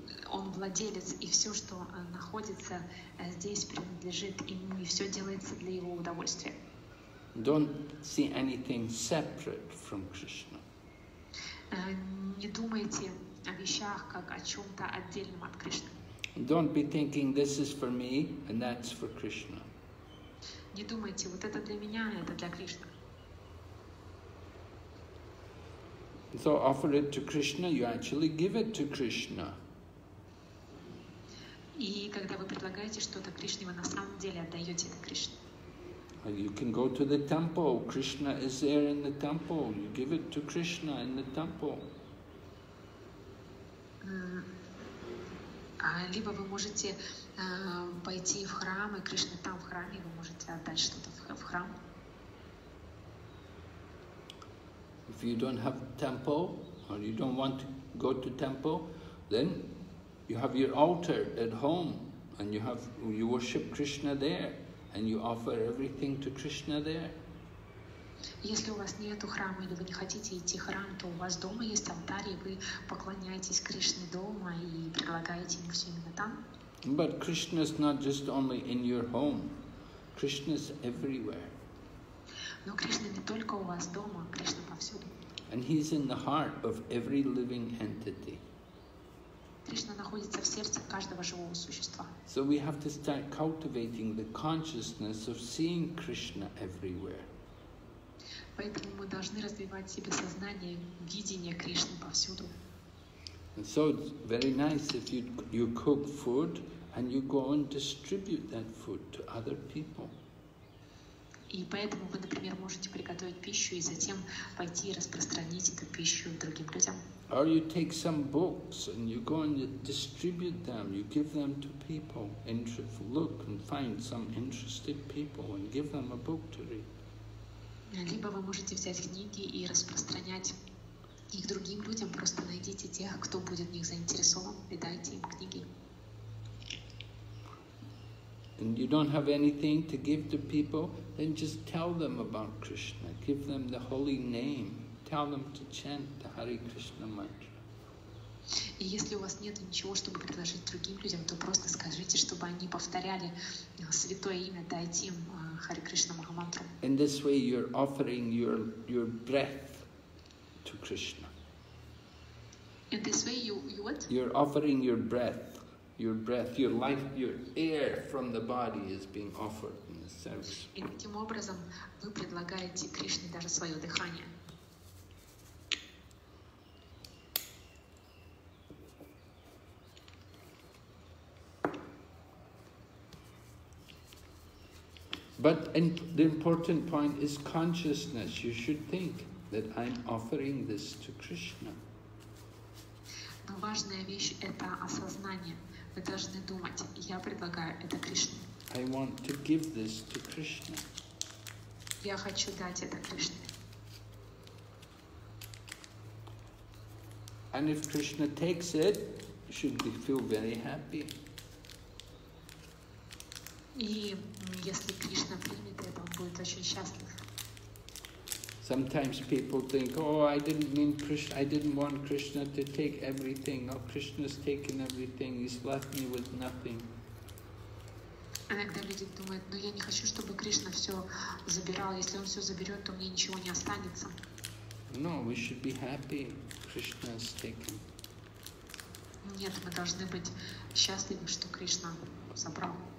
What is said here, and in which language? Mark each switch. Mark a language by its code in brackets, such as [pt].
[ru] Он владелец, и все, что находится здесь, принадлежит ему, и все делается для его удовольствия. [en] Don't see anything separate from Krishna. [ru] Не думайте о вещах как о чем-то отдельном от Кришны. [en] Don't be thinking this is for me and that's for Krishna. [ru] Не думайте, вот это для меня, это для Кришны. [en] So offer it to Krishna, you actually give it to Krishna. [ru] И когда вы предлагаете что-то Кришне, вы на самом деле отдаете это Кришне. [en] You can go to the temple. Krishna is there in the temple. You give it to Krishna in the temple. [ru] Либо вы можете пойти в храм, и Кришна там в храме, вы можете отдать что-то в храм. [en] If you don't have temple or you don't want to go to temple, then you have your altar at home and you worship Krishna there. And you offer everything to Krishna there. [ru] Если у вас нету храма или вы не хотите идти в храм, то у вас дома есть алтарь, и вы поклоняетесь Кришне дома и предлагаете ему все именно там. [en] But Krishna is not just only in your home. Krishna is everywhere. [ru] Но Кришна не только у вас дома, Кришна повсюду. [en] And he is in the heart of every living entity. [ru] Кришна находится в сердце каждого живого существа. [en] So we have to start cultivating the consciousness of seeing Krishna everywhere. [ru] Поэтому мы должны развивать в себе сознание видения Кришны повсюду. [en] And so it's very nice if you cook food and you go and distribute that food to other people. [ru] И поэтому вы, например, можете приготовить пищу и затем пойти распространить эту пищу другим людям. [en] Or you take some books and you go and you distribute them, you give them to people, look and find some interested people and give them a book to read. [ru] Либо вы можете взять книги и распространять их другим людям, просто найдите тех, кто будет в них заинтересован, и дайте им книги. [en] And you don't have anything to give to people, then just tell them about Krishna, give them the holy name, tell them to chant the Hare Krishna mantra. [ru] И если у вас нет ничего, чтобы предложить другим людям, то просто скажите, чтобы они повторяли святое имя, дайте им Hare Krishna mantra. [en] In this way you're offering your breath to Krishna. In this way you what? You're offering your breath. Your breath, your life, your air from the body is being offered in the service. [ru] И таким образом вы предлагаете Кришне даже свое дыхание. [en] But the important point is consciousness. You should think that I'm offering this to Krishna. [ru] Но важная вещь – это осознание. Вы должны думать, я предлагаю это Кришне. [en] I want to give this to Krishna. [ru] Я хочу дать это Кришне. [en] And if Krishna takes it, should be feel very happy. [ru] И если Кришна примет это, он будет очень счастлив. [en] Sometimes people think, oh, I didn't mean Krishna, I didn't want Krishna to take everything. No, Krishna's taken everything, he's left me with nothing. [ru] Иногда люди думают, ну я не хочу, чтобы Кришна все забирал. Если он все заберет, то мне ничего не останется. [en] No, we should be happy Krishna's taken. [ru] Нет, мы должны быть счастливы, что Кришна забрал.